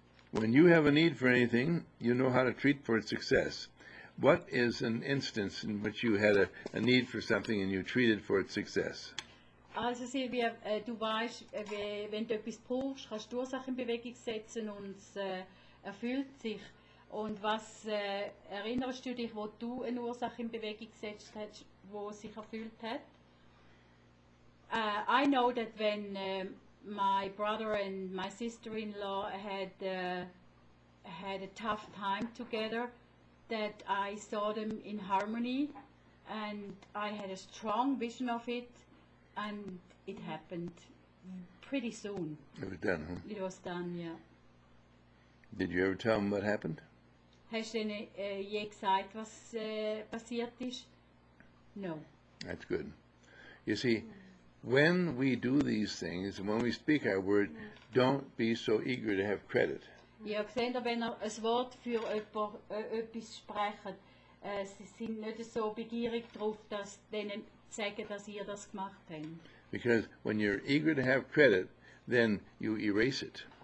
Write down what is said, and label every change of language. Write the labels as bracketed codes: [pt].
[en] When you have a need for anything, you know how to treat for its success. What is an instance in which you had a need for something and you treated for its success? [de] Also Silvia, du weißt, wenn du etwas brauchst, kannst du Ursachen in Bewegung setzen und es erfüllt sich. Und was erinnerst du dich, wo du eine Ursache in Bewegung gesetzt hast, wo es sich erfüllt hat? [en] I know that when my brother and my sister-in-law had a tough time together, that I saw them in harmony, and I had a strong vision of it, and it happened pretty soon. It was done, huh? It was done, yeah. Did you ever tell them what happened? [de] Hast du je gesagt, was passiert ist? [en] No. That's good. You see, when we do these things, when we speak our word, don't be so eager to have credit. [de] Ja, gesehen, wenn ihr ein Wort für etwas sprecht, sie sind nicht so begierig darauf, dass denen sagen, dass ihr das gemacht habt. [en] Because when you're eager to have credit, then you erase it.